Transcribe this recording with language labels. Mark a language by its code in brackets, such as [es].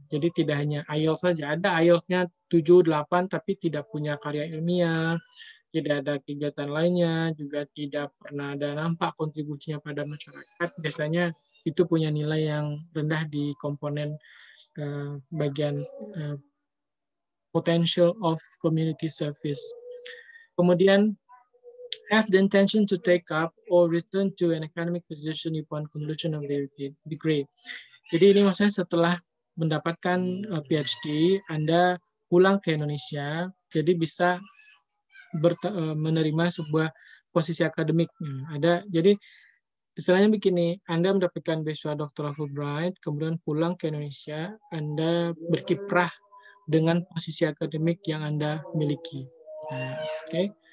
[id] Jadi tidak hanya IELTS saja, ada IELTS-nya 7, 8, tapi tidak punya karya ilmiah, tidak ada kegiatan lainnya, juga tidak pernah ada nampak kontribusinya pada masyarakat, biasanya itu punya nilai yang rendah di komponen bagian potential of community service. [en] Kemudian, have the intention to take up or return to an academic position upon conclusion of their degree. [id] Jadi ini maksudnya setelah mendapatkan PhD, Anda pulang ke Indonesia, jadi bisa menerima sebuah posisi akademik. Ada, jadi istilahnya begini, Anda mendapatkan beasiswa doktoral Fulbright, kemudian pulang ke Indonesia, Anda berkiprah dengan posisi akademik yang Anda miliki. Oke. Okay.